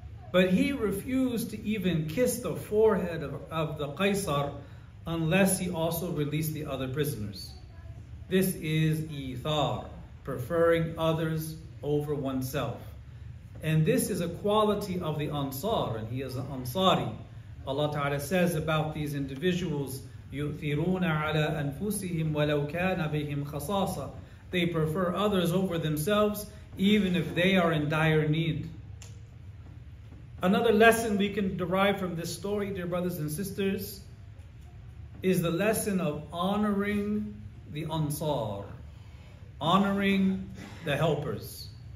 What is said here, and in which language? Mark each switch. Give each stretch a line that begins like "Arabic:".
English: But he refused to even kiss the forehead of the Qaisar unless he also released the other prisoners. This is ithar, preferring others over oneself. And this is a quality of the Ansar, and he is an Ansari. Allah Ta'ala says about these individuals,
Arabic: يُؤْثِرُونَ عَلَىٰ أَنفُسِهِمْ وَلَوْ كَانَ بِهِمْ خَصَاصَةً.
English: They prefer others over themselves, even if they are in dire need. Another lesson we can derive from this story, dear brothers and sisters, is the lesson of honoring the Ansar, honoring the helpers.